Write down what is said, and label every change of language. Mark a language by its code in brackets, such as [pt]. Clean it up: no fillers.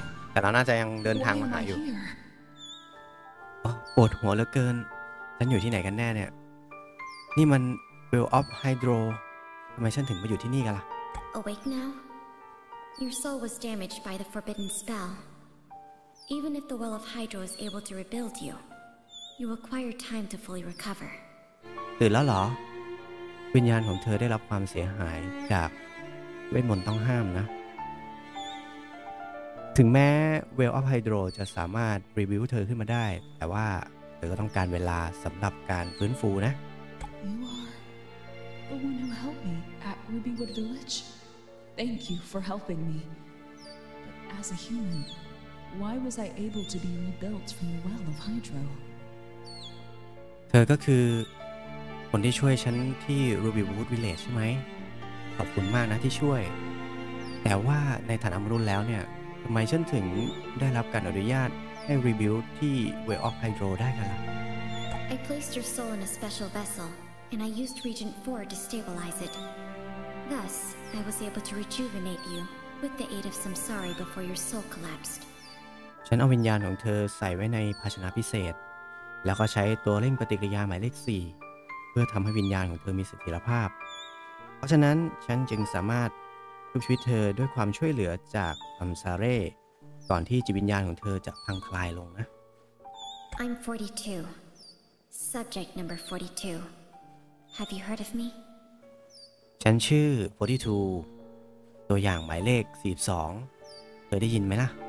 [th] แต่เราน่าจะยังเดินทางมาหาอยู่ปวดหัวเหลือเกินฉันอยู่ที่ไหนกันแน่เนี่ยนี่มันเวลออฟไฮโดรทำไมฉันถึงมาอยู่ที่นี่กันล่ะ [en] Awake now Your soul was damaged by the forbidden spell Even if the well of hydro is able to rebuild you You require time to fully recover [th] ตื่นแล้วเหรอวิญญาณของเธอได้รับความเสียหายจากเวทมนต์ต้องห้ามนะถึงแม้ Well of Hydro จะสามารถรีวิวเธอขึ้นมาได้แต่ว่าเธอก็ต้องการเวลาสำหรับการฟื้นฟูนะ [en] You are the one who helped me at Rubywood Village. Thank you for helping me. But as a human, why was I able to be rebuilt from the Well of Hydro? [th] เธอก็คือคนที่ช่วยฉันที่ Rubywood Village ใช่ไหมขอบคุณมากนะที่ช่วยแต่ว่าในฐานะมนุษย์แล้วเนี่ยทำไมฉันถึงได้รับการอนุญาตให้รีบิวที่ Way of Hydro ได้กันล่ะ [en] I placed your soul in a special vessel and I used Regent 4 to stabilize it Thus, I was able to rejuvenate you with the aid of Samsari before your soul collapsed [th] ฉันเอาวิญญาณของเธอใส่ไว้ในภาชนะพิเศษแล้วก็ใช้ตัวเร่งปฏิกิริยาหมายเลข4เพื่อทำให้วิญญาณของเธอมีเสถียรภาพเพราะฉะนั้นฉันจึงสามารถชุบชีวิตเธอด้วยความช่วยเหลือจากอัมซาเร่ก่อนที่จิตวิญญาณของเธอจะพังคลายลงนะ [en] I'm 42 Subject number 42 Have you heard of me? [th] ฉันชื่อ42ตัวอย่างหมายเลข42เธอได้ยินไหมล่ะ